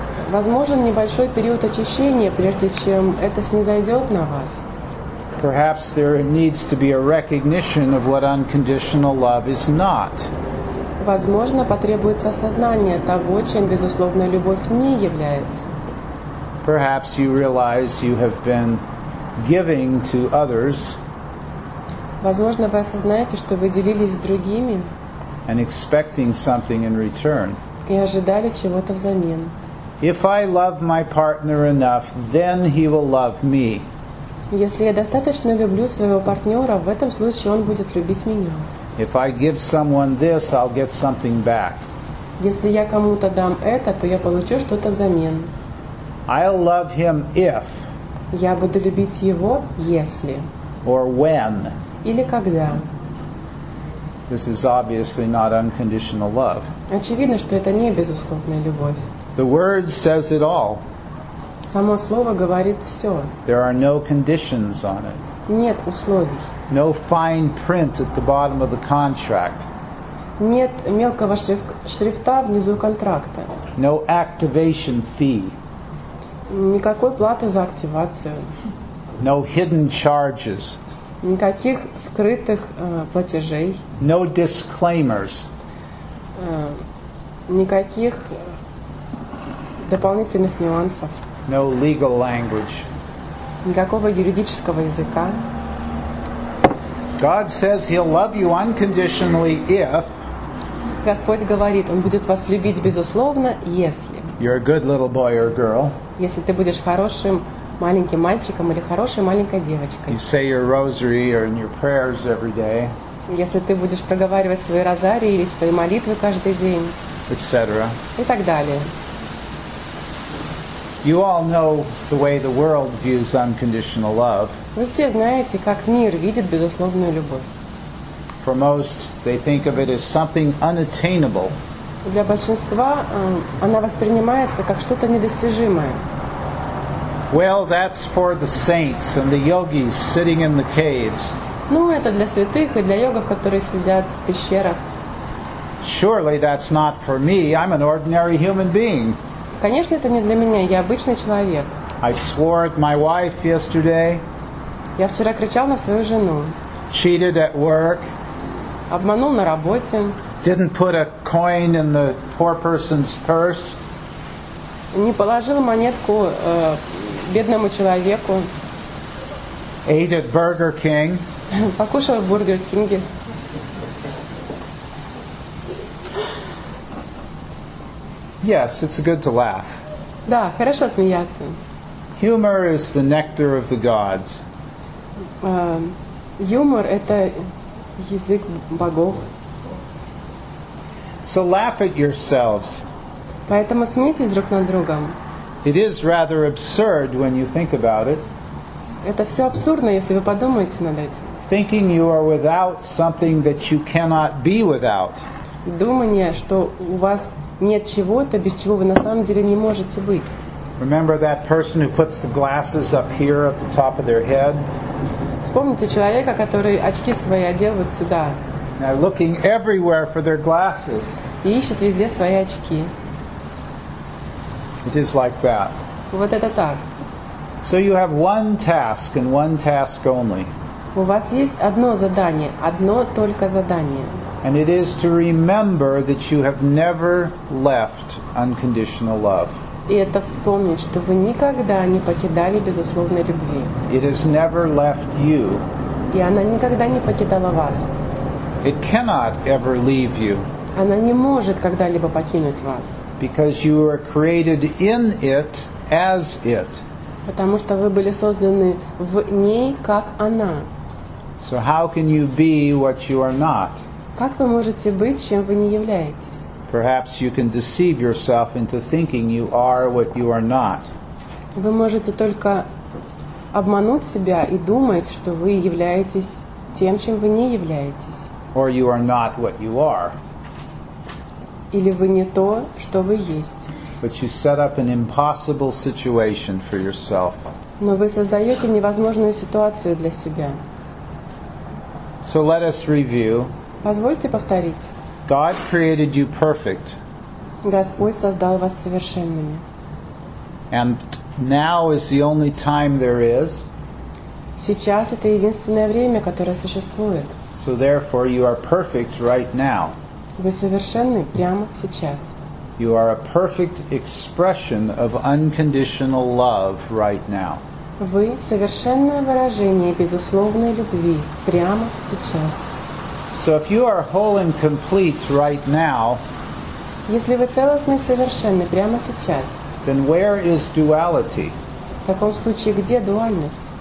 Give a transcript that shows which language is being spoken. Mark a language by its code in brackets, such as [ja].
[ru] Возможен небольшой период очищения, прежде чем это снизойдет на вас. [en] perhaps there needs to be a recognition of what unconditional love is not. [ru] Возможно, потребуется осознание того, чем безусловная любовь не является. [en] Perhaps you realize you have been giving to others. [ru] Возможно, вы осознаете, что вы делились с другими. [en] And expecting something in return. [ru] И ожидали чего-то взамен. [en] If I love my partner enough, then he will love me. [ru] Если я достаточно люблю своего партнера, в этом случае он будет любить меня. [en] If I give someone this, I'll get something back. [ru] Если я кому-то дам это, то я получу что-то взамен. [en] I'll love him if. [ru] Я буду любить его, если. [en] Or when. [ru] Или когда. [en] This is obviously not unconditional love. [ru] Очевидно, что это не безусловная любовь. [en] The word says it all. [ru] Само слово говорит все. [en] There are no conditions on it. [ru] Нет условий. [en] No fine print at the bottom of the contract. [ru] Нет мелкого шрифта внизу контракта. [en] No activation fee. [ru] Никакой платы за активацию. [en] No hidden charges. [ru] Никаких скрытых платежей. [en] No disclaimers. [ru] Никаких дополнительных нюансов. [en] No legal language. [ru] Никакого юридического языка. [en] God says he'll love you unconditionally if. [ru] Господь говорит, он будет вас любить безусловно, если. [en] You're a good little boy or girl. [ru] Если ты будешь хорошим маленьким мальчиком или хорошей маленькой девочкой. [en] You say your rosary or in your prayers every day. [ru] Если ты будешь проговаривать свои розарии или свои молитвы каждый день. [en] Etc. [ru] И так далее. [en] You all know the way the world views unconditional love. [ru] Вы все знаете, как мир видит безусловную любовь. [en] For most, they think of it as something unattainable. [ru] Для большинства она воспринимается как что-то недостижимое. [en] Well, that's for the saints and the yogis sitting in the caves. [ru] Ну, это для святых и для йогов, которые сидят в пещерах. [en] Surely that's not for me. I'm an ordinary human being. [ru] Конечно, это не для меня. Я обычный человек. [en] I swore at my wife yesterday. [ru] Я вчера кричал на свою жену. [en] Cheated at work. [ru] Обманул на работе. [en] Didn't put a coin in the poor person's purse. [ru] Не положил монетку бедному человеку. [en] Ate at Burger King. [ru] Покушал в Бургер Кинге. [en] Yes, it's good to laugh. [ru] Да, хорошо смеяться. [en] Humor is the nectar of the gods. [ru] Юмор – это язык богов. [en] So laugh at yourselves. [ru] Поэтому смейтесь друг над другом. [en] It is rather absurd when you think about it. [ru] Это все абсурдно, если вы подумаете над этим. [en] Thinking you are without something that you cannot be without. [ru] Думание, что у вас нет чего-то, без чего вы на самом деле не можете быть. [en] Remember that person who puts the glasses up here at the top of their head? [ru] Вспомните человека, который очки свои одел вот сюда. [en] Now looking everywhere for their glasses. [ru] И ищет везде свои очки. [en] It is like that. [ru] Вот это так. [en] So you have one task and one task only. [ru] У вас есть одно задание, одно только задание. [en] And it is to remember that you have never left unconditional love. [ru] И это вспомнить, что вы никогда не покидали безусловной любви. [en] It has never left you. [ru] И она никогда не покидала вас. [en] It cannot ever leave you. [ru] Она не может когда-либо покинуть вас. [en] Because you were created in it as it. [ru] Потому что вы были созданы в ней как она. [en] So how can you be what you are not? [ru] Как вы можете быть, чем вы не являетесь? [en] Perhaps you can deceive yourself into thinking you are what you are not. [ru] Вы можете только обмануть себя и думать, что вы являетесь тем, чем вы не являетесь. [en] Or you are not what you are. [ru] Или вы не то, что вы есть. [en] But you set up an impossible situation for yourself. [ru] Но вы создаете невозможную ситуацию для себя. [en] So let us review. [ru] Позвольте повторить. [en] God created you perfect. [ru] Господь создал вас совершенными. [en] And now is the only time there is. [ru] Сейчас это единственное время, которое существует. [en] So therefore you are perfect right now. [ru] Вы совершенны прямо сейчас. [en] You are a perfect expression of unconditional love right now. [ru] Вы совершенное выражение безусловной любви прямо сейчас. [en] So if you are whole and complete right now, [ru] если вы целостны и совершенны прямо сейчас, [en] then where is duality? [ru] В таком случае, где дуальность?